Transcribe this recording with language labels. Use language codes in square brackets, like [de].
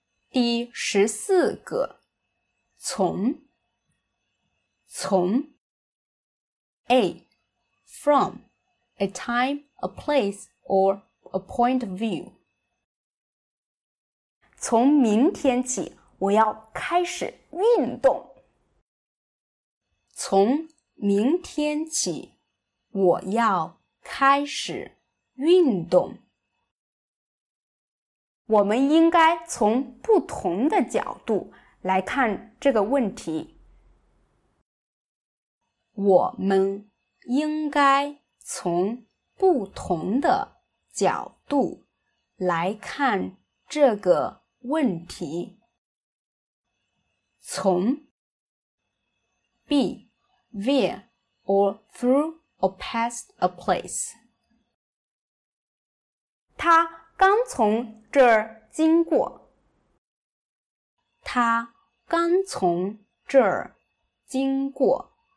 [zh] 第十四个，从，从 [en] A from a time, a place, or a point of view [zh] 从明天起我要开始运动。从明天起我要开始运动。我们应该从不同的角度来看这个问题。我们应该从不同的角度来看这个问题。 [en] 从 B via or through or past a place [zh] 他刚从这儿经过。他刚从这儿经过。